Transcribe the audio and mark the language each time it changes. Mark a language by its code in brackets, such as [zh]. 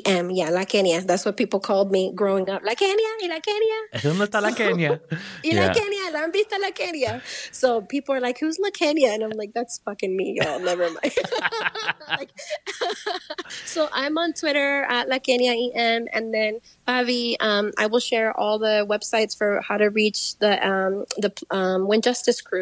[en] Yeah, La Kenia. That's what people called me growing up. [es] La Kenia, y La Kenia. ¿Dónde está La Kenia? Y La Kenia, ¿la han visto La Kenia? [en] So people are like, who's La Kenia? And I'm like, that's fucking me, y'all. Never mind. So I'm on Twitter at La Kenia EM. And then Fabi, I will share all the websites for how to reach the When Justice Crew.